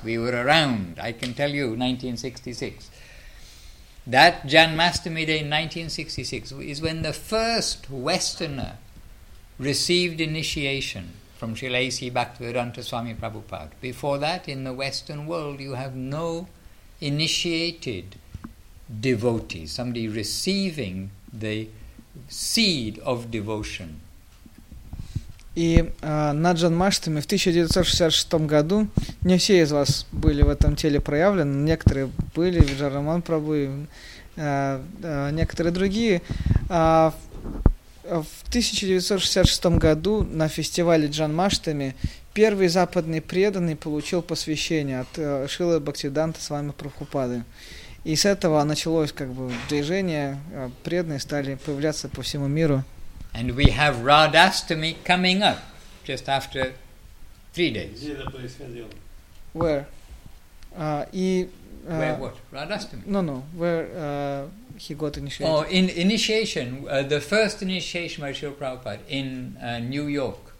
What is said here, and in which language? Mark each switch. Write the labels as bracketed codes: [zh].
[en] We were around, I can tell you, 1966. That Janmashtami Day in 1966 is when the first Westerner received initiation from Srila A.C. Bhaktivedanta Swami Prabhupada. Before that, in the Western world, you have no initiated devotees, somebody receiving the seed of devotion. [ru] И на Джанмаштами в 1966 году не все из вас были в этом теле проявлены, некоторые были, Виджараман Прабху и некоторые другие. В 1966 году на фестивале Джанмаштами первый западный преданный получил посвящение от Шрилы Бхактивиданты с вами Прабхупады. И с этого началось как бы движение, преданные стали появляться по всему миру. [en] And we have Radhastami coming up just after 3 days. [ru] Где это происходило? [en] Where? Where what? Radhastami? No. Where he got initiated? Oh, in initiation, the first initiation by Srila Prabhupada in New York.